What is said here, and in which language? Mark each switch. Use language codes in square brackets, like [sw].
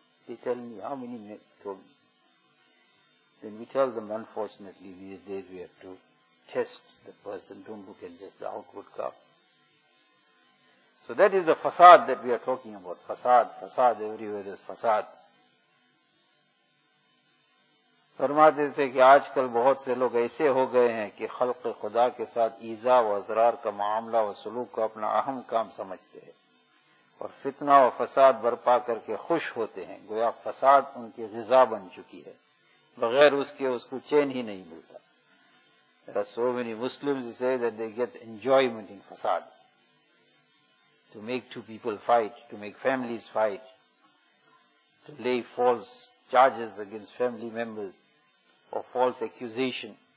[en] They tell me how many men told me. Then we tell them, unfortunately, these days we have to test the person. Don't look at just the outward garb. So that is the facade that we are talking about. Facade, facade, everywhere there is facade. [ur] فرماتے تھے کہ آج کل بہت سے لوگ ایسے ہو گئے ہیں کہ خلق خدا کے ساتھ ایزا و اضرار کا معاملہ و سلوک کو اپنا اہم کام سمجھتے ہیں اور فتنہ و فساد برپا کر کے خوش ہوتے ہیں گویا فساد ان کی غذا بن چکی ہے بغیر اس کے اس کو چین ہی نہیں ملتا. [en] There are so many Muslims who say that they get enjoyment in فساد to make two people fight, to make families fight, to lay false charges against family members or false accusation.